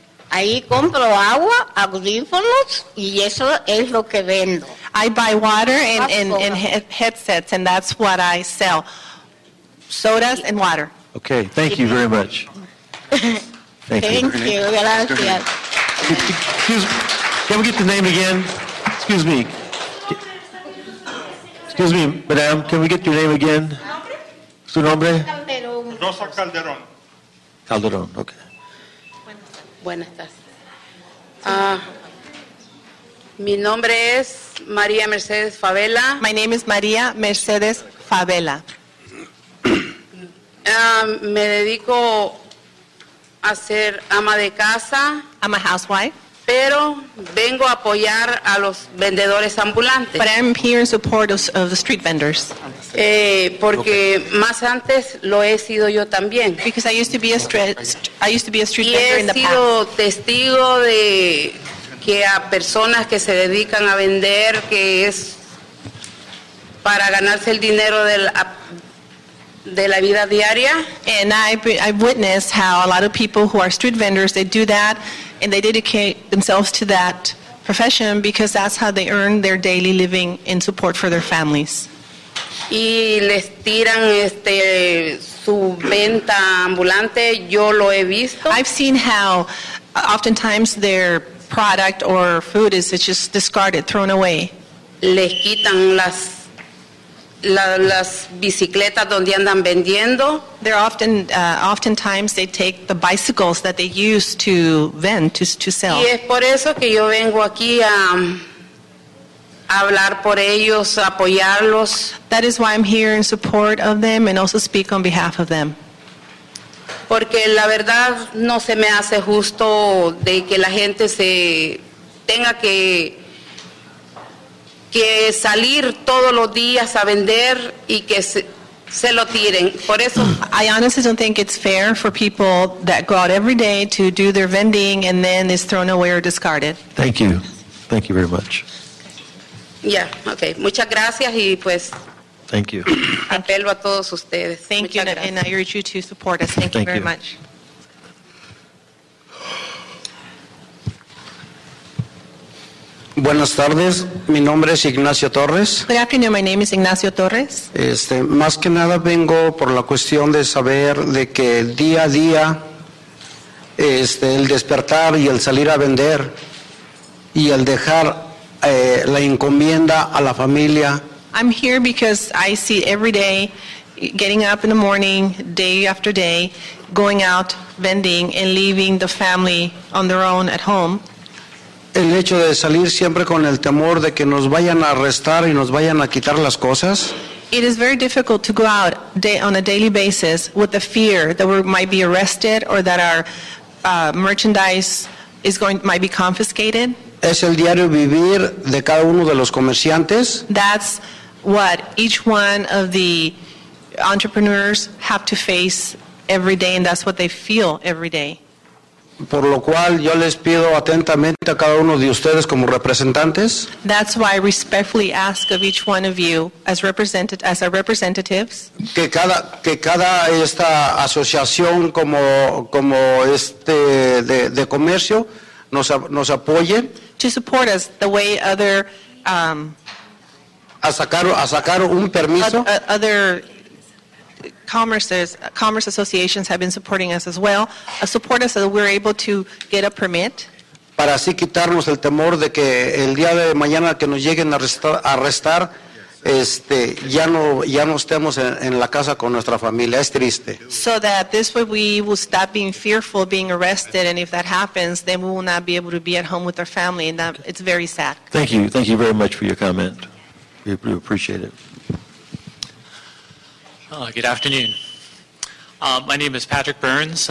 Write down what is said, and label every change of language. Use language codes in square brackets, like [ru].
[es] Ahí compro agua, audífonos, y eso es lo que vendo. [en] I buy water and headsets, and that's what I sell. Sodas and water. Okay, thank you very much. Thank you. Excuse, can we get the name again? Excuse me. Excuse me, madam. Can we get your name again? [es] Su nombre? [en] Calderon. Rosa Calderon. Calderon, okay. [es] Buenas tardes. Mi nombre es María Mercedes Favela. [en] My name is María Mercedes Favela. [es] Me dedico a ser ama de casa. [en] I'm a housewife. [es] Pero vengo a apoyar a los vendedores ambulantes. [en] But I'm here in support of the street vendors. [es] Porque más antes lo he sido yo también. [en] Because I used to be a street vendor in the past. [es] He sido testigo de que a personas que se dedican a vender, que es para ganarse el dinero de la vida diaria. [en] And I've witnessed how a lot of people who are street vendors, they do that, and they dedicate themselves to that profession because that's how they earn their daily living and support for their families. [es] Y les tiran su venta ambulante, yo lo he visto. [en] I've seen how oftentimes their product or food is just discarded, thrown away. [es] Les quitan las bicicletas donde andan vendiendo. [en] They're oftentimes they take the bicycles that they use to vend, to sell. [es] Y es por eso que yo vengo aquí a hablar por ellos, apoyarlos. [en] That is why I'm here in support of them and also speak on behalf of them. [es] Porque la verdad no se me hace justo de que la gente se tenga que salir todos los días a vender y que se lo tiren. Por eso. [en] I honestly don't think it's fair for people that go out every day to do their vending and then is thrown away or discarded. Thank you. Thank you very much. Yeah, okay. [es] Muchas gracias y pues. [en] Thank you. [es] Apelo a todos ustedes. [en] Thank you. And I urge you to support us. Thank you very much. [es] Buenas tardes, mi nombre es Ignacio Torres. [en] Good afternoon, my name is Ignacio Torres. [es] Más que nada vengo por la cuestión de saber de que día a día, el despertar y el salir a vender y el dejar la encomienda a la familia. [en] I'm here because I see every day, getting up in the morning, day after day, going out vending and leaving the family on their own at home. [es] El hecho de salir siempre con el temor de que nos vayan a arrestar y nos vayan a quitar las cosas. [en] It is very difficult to go out on a daily basis with the fear that we might be arrested or that our merchandise might be confiscated. [es] Es el diario vivir de cada uno de los comerciantes. [en] That's what each one of the entrepreneurs have to face every day, and that's what they feel every day. [es] Por lo cual yo les pido atentamente a cada uno de ustedes como representantes. [en] That's why I respectfully ask of each one of you as our representatives. [es] Que cada esta asociación como de comercio nos apoye. [en] To support us the way other [es] a sacar un permiso. [en] Other commerce associations have been supporting us as well. Support us so that we're able to get a permit. [es] Para así quitarnos el temor de que el día de mañana que nos lleguen a arrestar, ya no estemos en la casa con nuestra familia. Es triste. [en] So that this way we will stop being fearful of being arrested, and if that happens, then we will not be able to be at home with our family, and that it's very sad. Thank you. Thank you very much for your comment. We appreciate it. Good afternoon. My name is Patrick Burns.